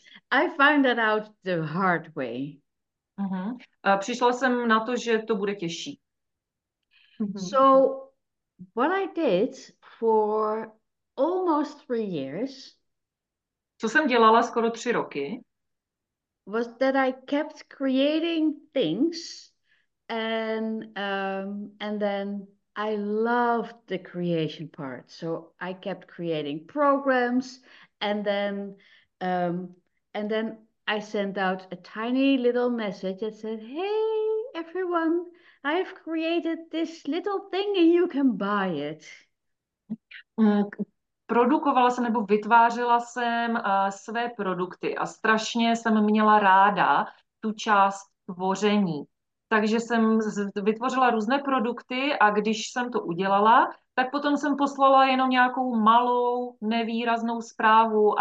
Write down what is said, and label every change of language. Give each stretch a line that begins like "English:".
English: I found that out the hard way.
Czech: Přišla jsem na to, že to bude těžší.
English: So what I did for almost 3 years,
Czech: co jsem dělala skoro 3 roky,
English: was that I kept creating things and then I loved the creation part. So I kept creating programs and then I sent out a tiny little message that said, "Hey everyone, I've created this little thing and you can buy it."
Czech: Produkovala jsem nebo vytvářela jsem své produkty a strašně jsem měla ráda tu část tvoření. Takže jsem vytvořila různé produkty a když jsem to udělala, tak potom jsem poslala jenom nějakou malou, nevýraznou zprávu.